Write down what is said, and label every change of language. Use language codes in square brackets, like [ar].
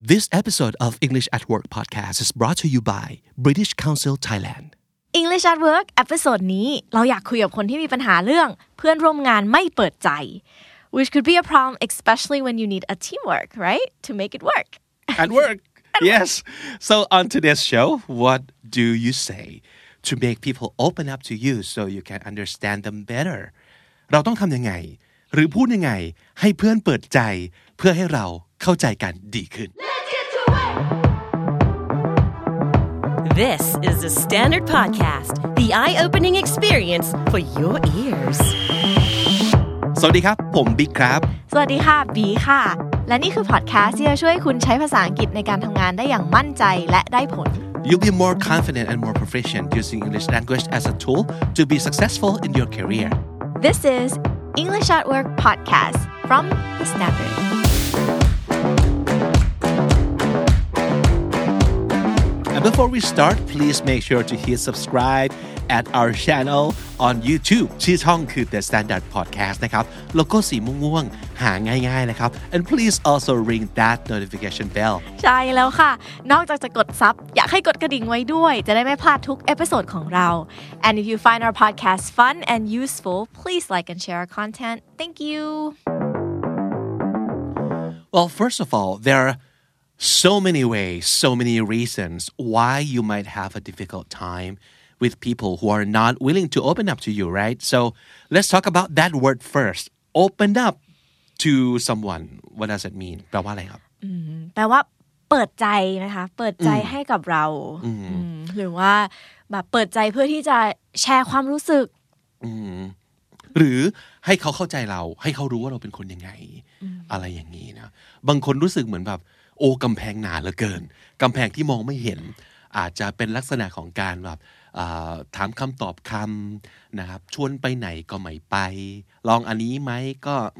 [en] This episode of English at Work podcast is brought to you by British Council Thailand. English at Work episode [th] นี้เราอยากคุยกับคนที่มีปัญหาเรื่องเพื่อนร่วมงานไม่เปิดใจ [en] which could be a problem especially when you need a teamwork, right? To make it work. At work. Yes. So on today's show, what do you say to make people open up to you so you can understand them better? [th] เราต้องทำยังไงหรือพูดยังไงให้เพื่อนเปิดใจเพื่อให้เราเข้าใจกันดีขึ้น [en] This is the Standard Podcast, the eye-opening experience for your ears. [th] สวัสดีครับผมบิ๊กครับ สวัสดีค่ะบีค่ะและนี่คือพอดแคสต์ที่จะช่วยคุณใช้ภาษาอังกฤษในการทำงานได้อย่างมั่นใจและได้ผล [en] You'll be more confident and more proficient using English language as a tool to be successful in your career. This is English at Work Podcast from the Standard. And before we start, please make sure to hit subscribe at our channel on YouTube. [th] ชื่อช่องคือ The Standard Podcast นะครับ โลโก้สีม่วงๆหาง่ายๆนะครับ [en] And please also ring that notification bell. [th] ใช่แล้วค่ะ นอกจากจะกดซับ อยากให้กดกระดิ่งไว้ด้วย จะได้ไม่พลาดทุกเอพิโซดของเรา [en] And if you find our podcast fun and useful, please like and share our content. Thank you. Well, first of all, there areSo many ways, so many reasons why you might have a difficult time with people who are not willing to open up to you, right? So let's talk about that word first. Open up to someone. What does it mean? [th] แปลว่าอะไรครับ แปลว่าเปิดใจนะคะ เปิดใจให้กับเรา หรือว่าแบบเปิดใจเพื่อที่จะแชร์ความรู้สึก หรือให้เขาเข้าใจเราให้เขารู้ว่าเราเป็นคนยังไง อะไรอย่างนี้นะบางคนรู้สึกเหมือนแบบโอ้กำแพงหนาเหลือเกินกำแพงที่มองไม่เห็นอาจจะเป็นลักษณะของการแบบถามคำตอบคำนะครับชวนไปไหนก็ไม่ไปลองอันนี้ไหมก็